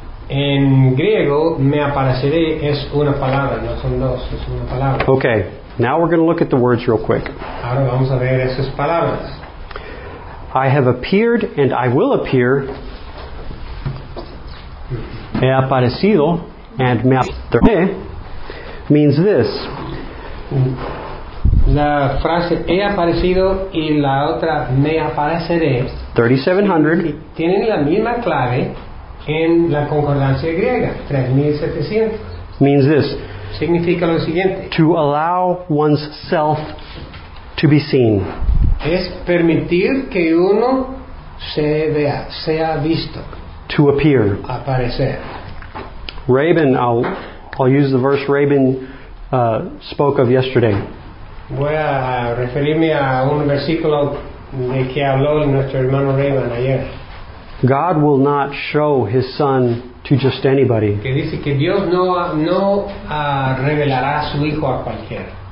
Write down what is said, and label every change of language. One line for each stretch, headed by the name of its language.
Spanish: En griego, me apareceré es una palabra, no son dos, es una palabra.
English: Okay, now we're going to look at the words real quick.
Spanish: Ahora vamos a ver esas palabras.
English: I have appeared and I will appear.
Spanish: He aparecido and me apareceré
English: means this.
Spanish: La frase he aparecido y la otra me apareceré. 3700. Tienen la misma clave en la concordancia griega. 3700.
English: Means this.
Spanish: Significa lo siguiente.
English: To allow one's self to be seen.
Spanish: Es permitir que uno se vea, sea visto.
English: To appear.
Spanish: Aparecer.
English: Rabin, I'll use the verse Rabin spoke of yesterday.
Spanish: Voy a referirme a un versículo de que habló nuestro hermano Raymond ayer.
English: God will not show his son to just anybody.
Spanish: Que dice que Dios no revelará a su hijo a cualquiera.